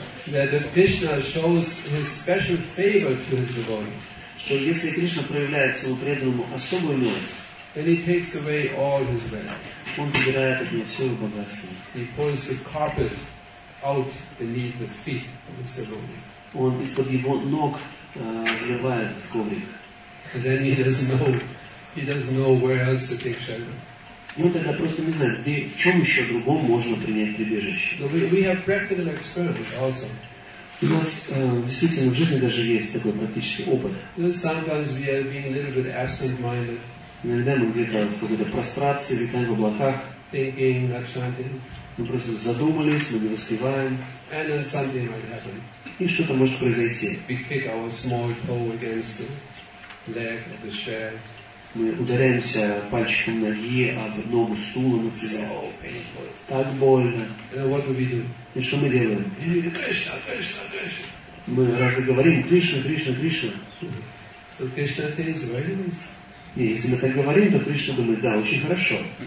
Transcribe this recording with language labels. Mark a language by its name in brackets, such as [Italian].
[English] That if Krishna shows his special favor to his devotee, [Russian] что если Кришна проявляет своему преданному особую милость, [English] then he takes away all his wealth. [Russian] Он забирает от него все его богатство. [English] He pulls the carpet out beneath the feet of his devotee. [Russian] Он из-под его ног вырывает коврик. [English] And then he doesn't know where else to take shelter. [Russian] И он тогда просто не знает, где, в чем еще другом можно принять прибежище. [English] No, we have practical experience also. [Russian] У нас действительно в жизни даже есть такой практический опыт. [English] Sometimes we are being a little bit absent-minded. [Russian] Иногда мы где-то в какой-то прострации, летаем в облаках. [English] Thinking, not chanting. [Russian] Мы просто задумались, мы не воспеваем. [English] And then something might happen. [Russian] И что-то может произойти. [English] We kick our small toe against the leg of the chair. [Russian] Мы ударяемся пальчиком ноги об ногу стула, например. [English] So [Russian] так больно. [English] And what do we do? [Russian] И что мы делаем? Кришна, Кришна, Кришна. Мы разве говорим Кришна, Кришна, Кришна? [English] So Krishna thinks very nice. [Russian] И если мы так говорим, то Кришна думает, да, очень хорошо.